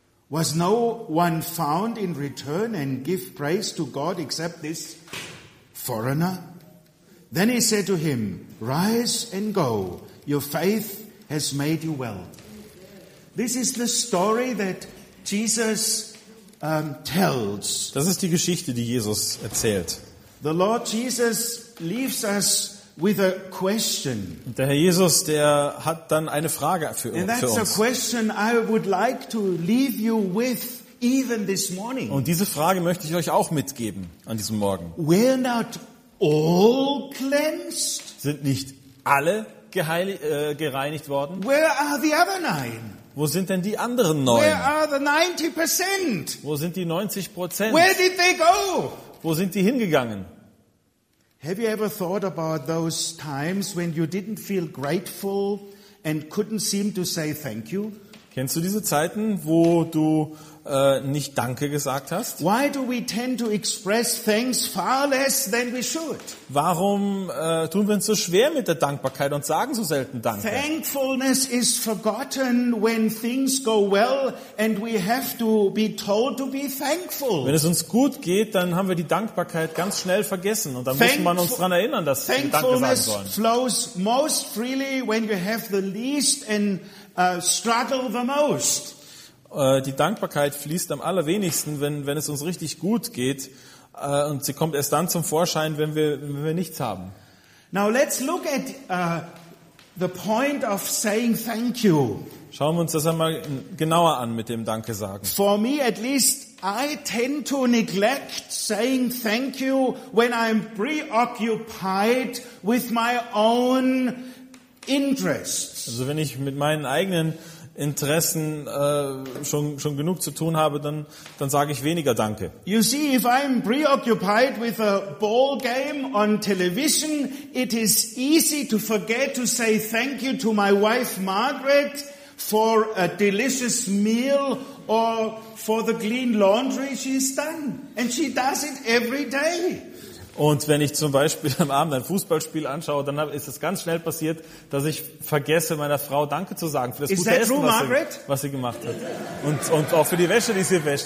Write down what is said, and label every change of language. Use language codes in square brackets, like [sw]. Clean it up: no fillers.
[en] Was no one found in return and give praise to God except this foreigner?" Then he said to him, "Rise and go. Your faith has made you well." This is the story that Jesus tells. [de] Das ist die Geschichte, die Jesus erzählt. [en] The Lord Jesus leaves us with a question. [de] Und der Herr Jesus, der hat dann eine Frage für uns. [en] And that's a question I would like to leave you with even this morning. [de] Und diese Frage möchte ich euch auch mitgeben an diesem Morgen. [en] We're not all cleansed? [de] Sind nicht alle gereinigt worden? [en] Where are the other 9? [de] Wo sind denn die anderen 9? [en] Where are the 90%? [de] Wo sind die 90%? [en] Where did they go? [de] Wo sind die hingegangen? [en] Have you ever thought about those times when you didn't feel grateful and couldn't seem to say thank you? [de] Kennst du diese Zeiten, wo du nicht Danke gesagt hast? [en] Why do we tend to express thanks far less than we should? [de] Warum tun wir uns so schwer mit der Dankbarkeit und sagen so selten Danke? [en] Thankfulness is forgotten when things go well and we have to be told to be thankful. [de] Wenn es uns gut geht, dann haben wir die Dankbarkeit ganz schnell vergessen und dann muss man uns daran erinnern, dass wir Danke sagen sollen. [en] Thankfulness flows most freely when you have the least and struggle the most. [de] Die Dankbarkeit fließt am allerwenigsten, wenn es uns richtig gut geht, und sie kommt erst dann zum Vorschein, wenn wir nichts haben. [en] Now let's look at the point of saying thank you. [de] Schauen wir uns das einmal genauer an mit dem Danke sagen. [en] For me at least, I tend to neglect saying thank you when I'm preoccupied with my own interests. [de] Also wenn ich mit meinen eigenen Interessen schon genug zu tun habe, dann sage ich weniger Danke. [en] You see, if I'm preoccupied with a ball game on television, it is easy to forget to say thank you to my wife Margaret for a delicious meal or for the clean laundry she's done, and she does it every day. [de] Und wenn ich zum Beispiel am Abend ein Fußballspiel anschaue, dann ist es ganz schnell passiert, dass ich vergesse, meiner Frau Danke zu sagen für das [en] Is [de] gute Essen, [en] true, [de] was sie gemacht hat. Und auch für die Wäsche, die sie wäscht.